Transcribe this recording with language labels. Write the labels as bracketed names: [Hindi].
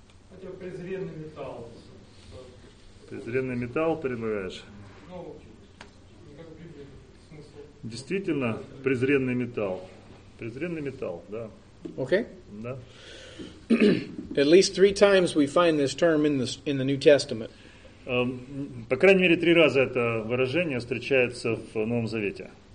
[Russian] А тебе презренный металл. Презренный металл предлагаешь? Ну, как в Библии смысл. Действительно, презренный металл. Презренный металл, да. [English] Okay. [Russian] Да. [English] At least 3 times we find this term in the New Testament. [Russian] По крайней мере, 3 раза это выражение встречается в Новом Завете.